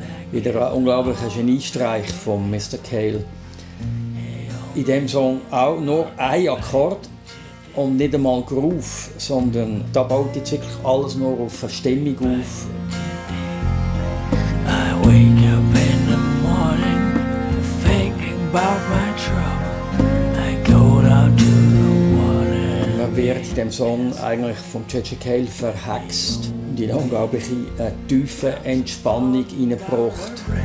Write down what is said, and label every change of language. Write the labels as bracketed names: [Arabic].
[German] Wieder ein unglaublicher Geniestreich von Mr. Cale. In diesem Song auch nur ein Akkord und nicht einmal Groove, sondern da baut jetzt wirklich alles nur auf eine Stimmung auf. [English] I wake up in the morning thinking about my trouble. I go down to the water. [German] Man wird in diesem Song eigentlich von J.J. Cale verhext. Und in eine unglaubliche tiefe Entspannung hineingebracht.